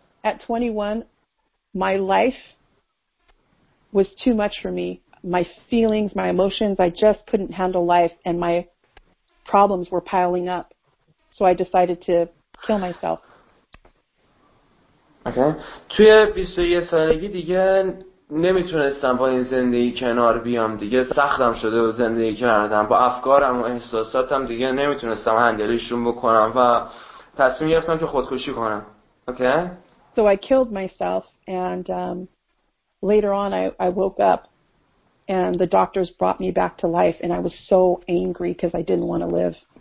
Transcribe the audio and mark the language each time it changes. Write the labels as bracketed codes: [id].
[en] At 21 my life was too much for me. My feelings, my emotions, I just couldn't handle life and my problems were piling up. So I decided to kill myself. Okay. [fa] توی 21 سالگی دیگه نمیتونستم با این زندگی کنار بیام، دیگه سختم شده و زندگی کردم با افکارم و احساساتم دیگه نمیتونستم هندلشون بکنم و تصمیم گرفتم که خودکشی کنم. [en] Okay. So I killed myself and later on I woke up and the doctors brought me back to life and I was so angry because I didn't want to live.